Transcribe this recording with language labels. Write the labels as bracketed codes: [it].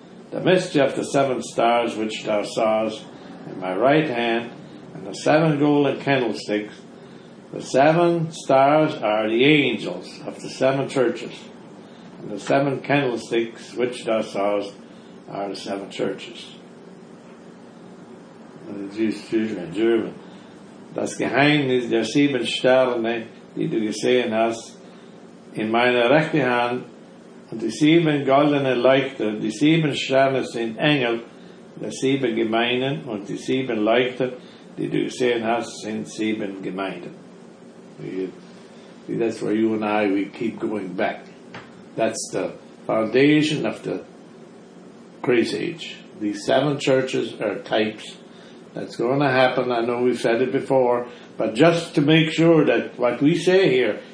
[en] The mystery of the seven stars which thou sawest in my right hand, and the seven golden candlesticks, the seven stars are the angels of the seven churches, and the seven candlesticks which thou sawest are the seven churches. Und Jesus Jesus in German. [de] Das Geheimnis der sieben Sterne, die du gesehen hast, in meiner rechten Hand, und die sieben goldenen Leuchter, die sieben Sterne sind Engel, die sieben Gemeinden, und die sieben Leuchter, die du gesehen hast, sind sieben Gemeinden. [en] See, that's where you and I, we keep going back. That's the foundation of the crazy age. These seven churches are types. That's going to happen. I know we've said it before, but just to make sure that what we say here